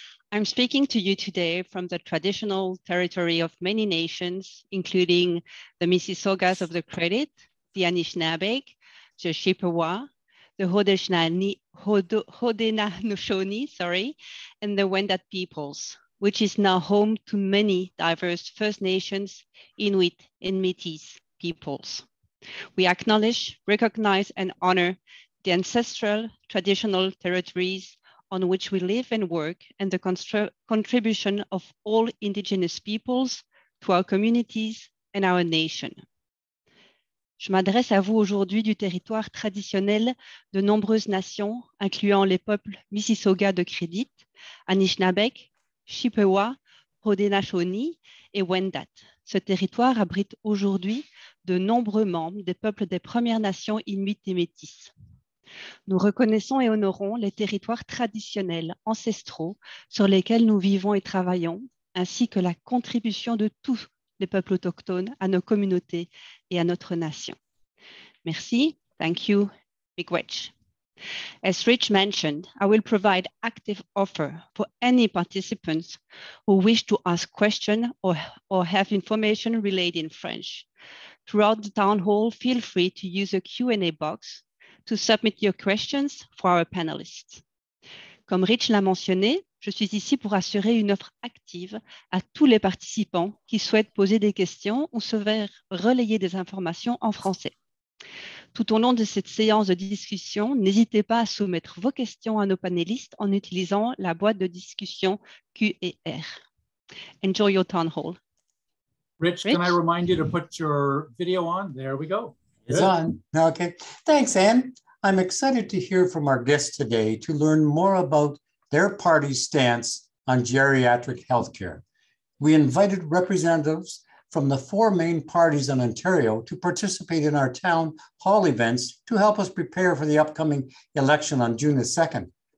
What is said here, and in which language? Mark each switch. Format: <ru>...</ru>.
<en>I'm speaking to you today from the traditional territory of many nations, including the Mississaugas of the Credit, the Anishinaabeg, the Chippewa, the Haudenosaunee, and the Wendat peoples, which is now home to many diverse First Nations, Inuit, and Métis peoples. We acknowledge, recognize, and honor the ancestral traditional territories on which we live and work, and the contribution of all Indigenous peoples to our communities and our nation.</en> <fr>Je m'adresse à vous aujourd'hui du territoire traditionnel de nombreuses nations, incluant les peuples Mississauga de Credit, Anishinaabeg, Chippewa, Haudenosaunee et Wendat. Ce territoire abrite aujourd'hui de nombreux membres des peuples des Premières Nations Inuit et Métis. Nous reconnaissons et honorons les territoires traditionnels, ancestraux, sur lesquels nous vivons et travaillons, ainsi que la contribution de tous les peuples autochtones à nos communautés et à notre nation. Merci.</fr> <en>Thank you. Big wedge. As Rich mentioned, I will provide active offer for any participants who wish to ask questions or have information relayed in French. Throughout the town hall, feel free to use a Q&A box to submit your questions for our panelists.</en> <fr>Comme Rich l'a mentionné, je suis ici pour assurer une offre active à tous les participants qui souhaitent poser des questions ou se faire relayer des informations en français. Tout au long de cette séance de discussion, n'hésitez pas à soumettre vos questions à nos panélistes en utilisant la boîte de discussion Q&R.</fr> <en>Enjoy your town hall. Rich, can I remind you to put your video on? There we go. It's on. Okay. Thanks, Anne. I'm excited to hear from our guests today to learn more about their party's stance on geriatric healthcare. We invited representatives from the four main parties in Ontario to participate in our town hall events to help us prepare for the upcoming election on June the 2nd.</en>